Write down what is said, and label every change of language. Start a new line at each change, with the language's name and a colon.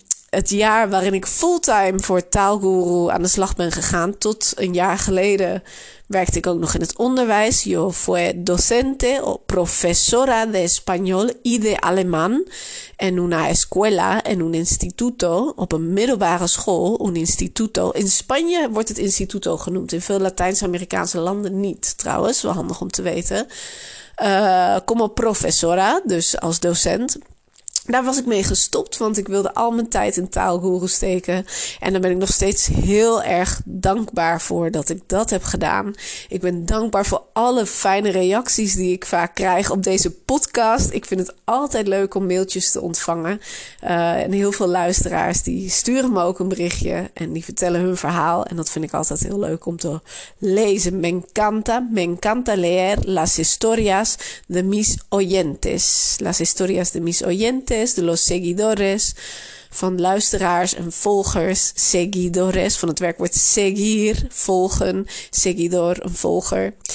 Dutch: Het jaar waarin ik fulltime voor Taalguru aan de slag ben gegaan. Tot een jaar geleden werkte ik ook nog in het onderwijs.
Spanish: Yo fui docente o profesora de español y de alemán en una escuela en un instituto,
Dutch: op een middelbare school,
Spanish: un instituto.
Dutch: In Spanje wordt het instituto genoemd, in veel Latijns-Amerikaanse landen niet trouwens, wel handig om te weten.
Spanish: Como profesora,
Dutch: dus als docent. Daar was ik mee gestopt, want ik wilde al mijn tijd in Taalguru steken. En daar ben ik nog steeds heel erg dankbaar voor dat ik dat heb gedaan. Ik ben dankbaar voor alle fijne reacties die ik vaak krijg op deze podcast. Ik vind het altijd leuk om mailtjes te ontvangen. En heel veel luisteraars die sturen me ook een berichtje en die vertellen hun verhaal. En dat vind ik altijd heel leuk om te lezen.
Spanish: Me encanta leer las historias de mis oyentes. Las historias de mis oyentes. De los seguidores,
Dutch: van luisteraars en volgers, seguidores, van het werkwoord seguir, volgen, seguidor, een volger.